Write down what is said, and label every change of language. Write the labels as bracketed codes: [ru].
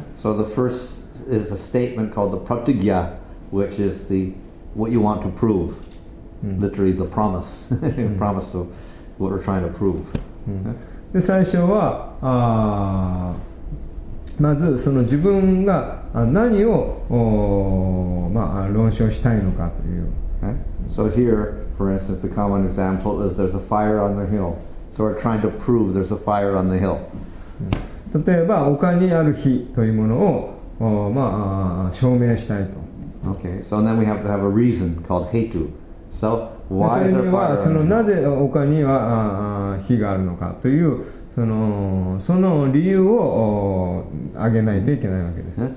[en] So, the first is a statement called the Pratigya, which is the what you want to prove.Literally the promise, promise of what we're trying to prove. [ja] で最初はまずその自分が何を、まあ、論証したいのかという、 [en] So here, for instance, the common example is there's a fire on the hill. So we're trying to prove there's a fire on the hill. [ja] 例えば丘にある火というものを、まあ、証明したいと。 [en] Okay, so then we have to have a reason called hetu. So why is there fire? [ja] そのなぜ丘には火があるのかというその理由を挙げないといけないわけです。